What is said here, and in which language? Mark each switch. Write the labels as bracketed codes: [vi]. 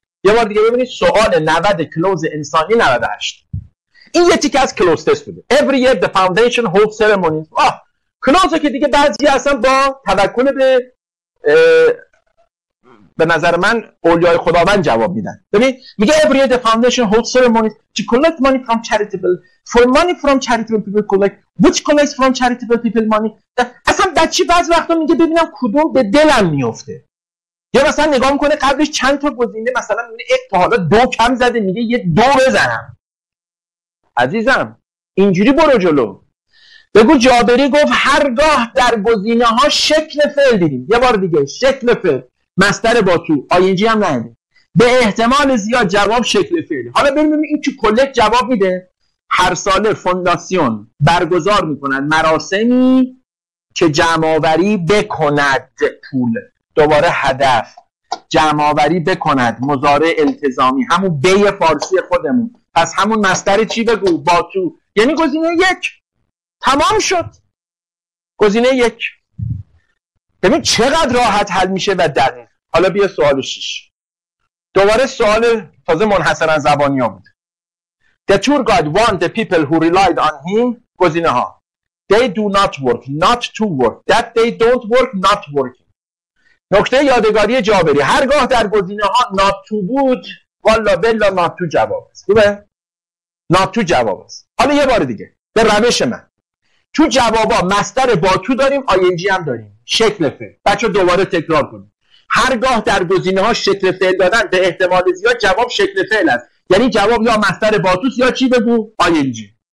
[fa] یه بار دیگه ببینید، سوال 90 کلوز انسانی 98، این یه تیکه از کلوز تست بوده. [en] Every year the foundation holds ceremonies. [fa] آه کلوز که دیگه بعضی اصلا با توکل به به نظر من اولیای خداوند جواب میدن. ببین میگه [en] every foundation holds ceremony to collect money from charitable for money from charitable people collect which collects from charitable people money. [fa] اصلا بچی بعض وقتا میگه ببینم کدوم به دلم میفته، یا مثلا نگاه میکنه قبلش چند تا گزینه، مثلا میگه یک تا حالا دو کم زده، میگه یه دو بزنم. عزیزم اینجوری برو جلو. بگو جابری گفت هرگاه در گزینه ها شکل فعل دیدیم، یه بار دیگه شکل فعل مستر با تو آینجی هم نهده، به احتمال زیاد جواب شکل فعل. حالا ببینیم این که کلک جواب میده، هر سال فونداسیون برگزار میکنند مراسمی که جمع‌آوری بکند پول، دوباره هدف جمع‌آوری بکند، مضارع التزامی همون به فارسی خودمون، پس همون مستر چی بگو با تو، یعنی گزینه یک تمام شد. گزینه یک ببین چقدر راحت حل میشه و دقیق. حالا بیا سوال شش، دوباره سوال تازه منحصرا زبانی ها بود. [en] The tour guide want the people who relied on him. [fa] گزینه ها [en] they do not work, not to work, that they don't work, not working. [fa] نکته یادگاری جابری، هرگاه در گزینه ها not to بود، والا بلا not to جواب است. خوبه؟ not to جواب است. حالا یه بار دیگه به روش من، تو جوابا مستر با تو داریم، آینجی هم داریم، شکل فعل. بچه دوباره تکرار کنیم، هرگاه در گزینه ها شکل فعل دادن به احتمال زیاد جواب شکل فعل است، یعنی جواب یا مستر با تو یا چی بگو آینجی.